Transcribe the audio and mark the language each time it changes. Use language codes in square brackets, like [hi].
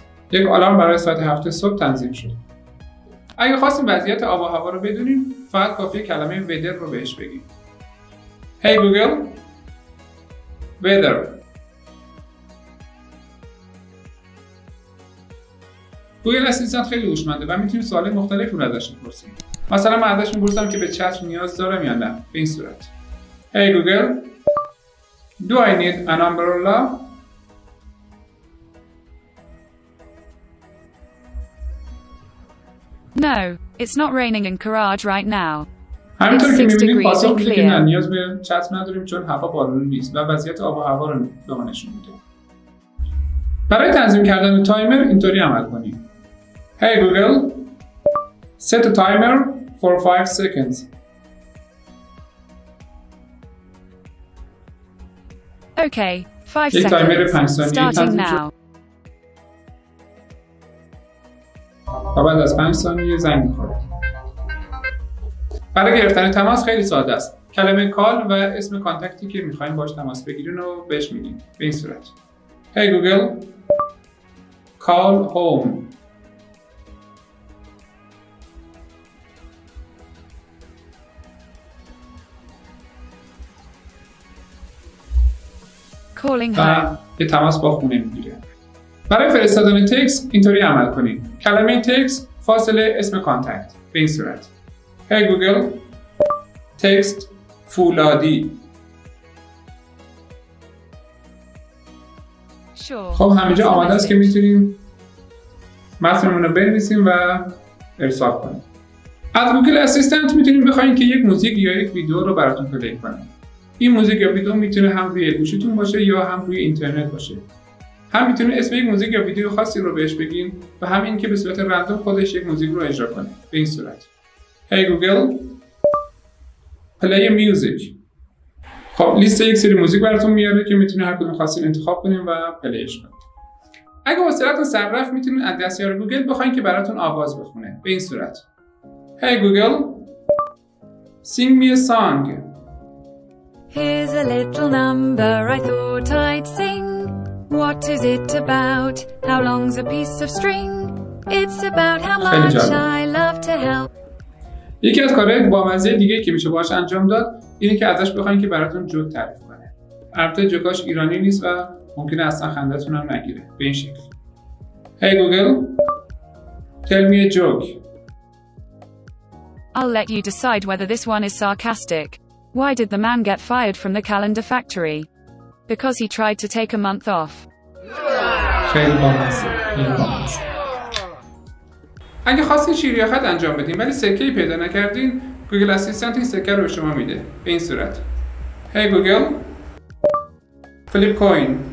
[fa] یک آلارم برای ساعت 7 صبح تنظیم شد. اگه خواستیم وضعیت آب و هوا رو بدونیم فقط کافیه کلمه weather رو بهش بگیم. [en] Hey Google, weather. [fa] گوگل اسیستنت خیلی هوشمنده و میتونیم سوال مختلفی رو ازش بپرسیم. مثلا من ازش میپرسم که به چتر نیاز دارم یا نه. به این صورت: [en] Hey Google, Do I need an umbrella? No, it's not raining in Karaj right now. [fa] همینطور که می‌بینیم پاسخ می‌دهیم که نه، نیاز به چتر نداریم چون هوا بارونی نیست و وضعیت آب و هوا رو به ما نشون می‌ده. برای تنظیم کردن تایمر اینطوری عمل کنیم: [en] Hey Google, set a timer for 5 seconds. Okay, 5 seconds. [fa] تایمر 5 ثانیه [en] starting now. [fa] بعد از 5 ثانیه زنگ می‌خوره. برای گرفتن تماس خیلی ساده است. کلمه کال و اسم کانتکتی که می‌خواید باهاش تماس بگیرین رو بهش می‌گین. به این صورت. [en] Hey Google, call home. Calling [fa] home. یه تماس با خونه می‌گیره. برای فرستادن تکست اینطوری عمل کنین. کلمه تکست فاصله اسم کانتکت. به این صورت. [en] Hey Google, text فولادی. [fa] خب همه جا آماده است که میتونیم متنمون رو بنویسیم و ارسال کنیم. از گوگل اسیستنت میتونیم بخواییم که یک موزیک یا یک ویدیو رو براتون پلی کنیم. این موزیک یا ویدیو میتونه هم روی گوشیتون باشه یا هم روی اینترنت باشه. هم میتونه اسم یک موزیک یا ویدیو خاصی رو بهش بگین و هم این که به صورت رندوم خودش یک موزیک رو اجرا کنه. به این صورت. [en] Hey Google, play music. [fa] خب لیست یک سری موزیک براتون میاره که میتونه هر کدوم خواستین انتخاب کنین و پلیش کنین. اگه حوصله‌تون سر رفت میتونین از دستیار گوگل بخواین که براتون آواز بخونه. به این صورت. [en] Hey Google, sing me a song. Here's a little number I thought I'd sing. What is it about? How long's a piece of string? It's about how much I love to help. [fa] یکی از کارهای بامزه دیگه که میشه باهاش انجام داد اینه که ازش بخواین که براتون جوک تعریف کنه. البته جوکاش ایرانی نیست و ممکنه اصلا خندتون هم نگیره. به این شکل. [en] Hey Google, tell me a joke. I'll let you decide whether this one is sarcastic. Why did the man get fired from the calendar factory? Because he tried to take a month off. [fa] خیلی بامزه. خیلی بامزه. اگه خواستین شیر یا خط انجام بدین ولی سکه ای پیدا نکردین، گوگل اسیستنت این سکه رو به شما میده. به این صورت. [en] Hey Google, flip coin.